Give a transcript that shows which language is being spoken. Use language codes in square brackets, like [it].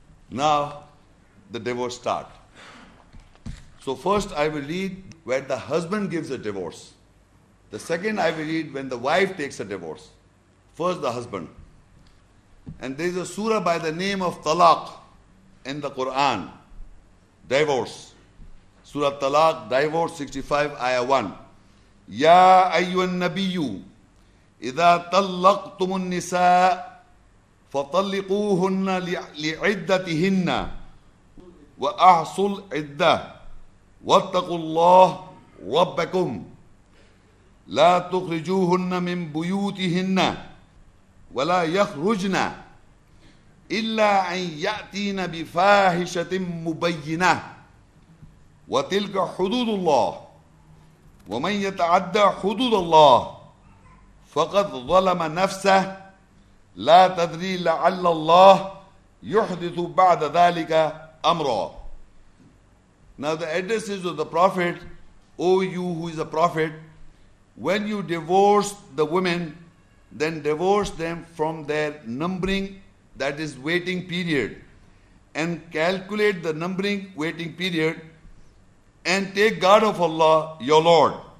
[en] Now, the divorce start. So first I will read where the husband gives a divorce. The second I will read when the wife takes a divorce. First the husband. And there is a surah by the name of Talaq in the Quran. Divorce. Surah Talaq, divorce 65, ayah 1. [ar] يا أيها النبي إذا طلقتم النساء فطلقوهن لعدتهن وأحصوا العدة واتقوا الله ربكم لا تخرجوهن من بيوتهن ولا يخرجن إلا أن يأتين بفاحشة مبينة وتلك حدود الله ومن يتعدى حدود الله فقد ظلم نفسه لا تدري لعل الله يحدث بعد ذلك أمرا. [en] Now the addresses of the Prophet, O you who is a prophet, when you divorce the women, then divorce them from their numbering, that is waiting period, and calculate the numbering waiting period, and take guard of Allah, your Lord.